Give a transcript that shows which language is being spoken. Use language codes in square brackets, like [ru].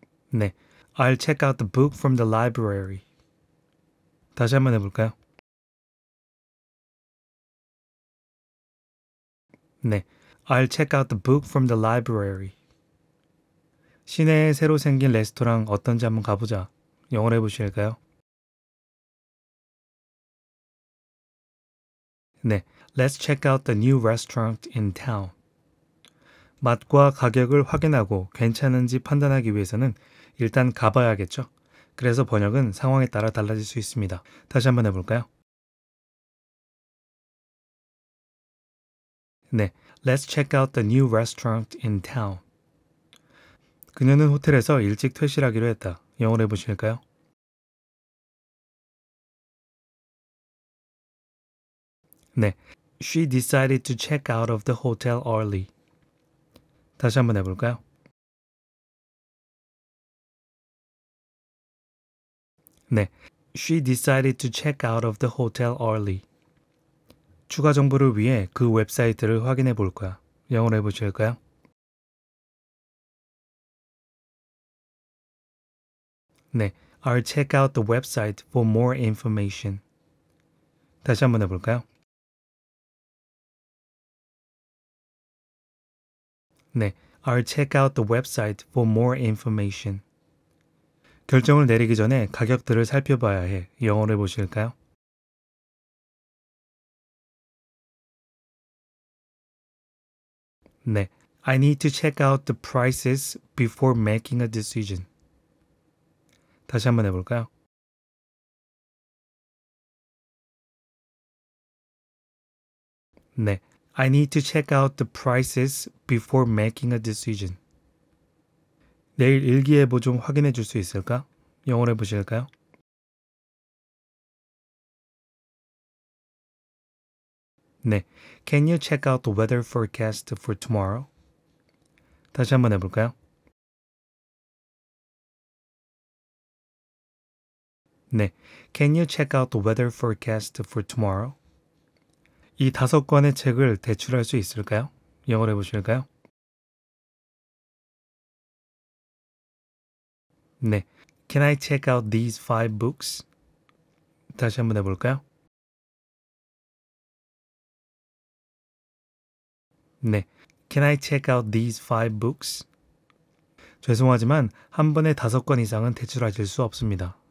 [ko] 네, [en] I'll check out the book from the library. [ko] 다시 한번 해볼까요? 네, [en] I'll check out the book from the library. [ko] 시내에 새로 생긴 레스토랑 어떤지 한번 가보자. 영어로 해보실까요? 네, [en] Let's check out the new restaurant in town. [ko] 맛과 가격을 확인하고 괜찮은지 판단하기 위해서는 일단 가봐야겠죠? 그래서 번역은 상황에 따라 달라질 수 있습니다. 다시 한번 해볼까요? 네, [en] Let's check out the new restaurant in town. [ko] 그녀는 호텔에서 일찍 퇴실하기로 했다. 영어로 해보실까요? [en] She decided to check out of the hotel early. [ko] 다시 한번 해볼까요? 네, [en] She decided to check out of the hotel early. [ko] 추가 정보를 위해 그 웹사이트를 확인해 볼 거야. 영어로 해보실까요? 네, [en] I'll check out the website for more information. [ko] 다시 한번 해볼까요? 네, [en] I'll check out the website for more information. [ko] 결정을 내리기 전에 가격들을 살펴봐야 해. 영어로 해보실까요? [en] I need to check out the prices before making a decision. [ko] 다시 한번 해볼까요? 네, [en] I need to check out the prices before making a decision. [ko] 내일 일기예보 좀 확인해 줄 수 있을까? 영어로 해보실까요? [en] Can you check out the weather forecast for tomorrow? [ko] 다시 한번 해볼까요? 네, [en] Can you check out the weather forecast for tomorrow? [ko] 이 다섯 권의 책을 대출할 수 있을까요? 영어로 해보실까요? 네, [en] Can I check out these five books? [ko] 다시 한번 해볼까요? 네, [en] Can I check out these five books? [ko] 죄송하지만 한 번에 다섯 권 이상은 대출하실 수 없습니다.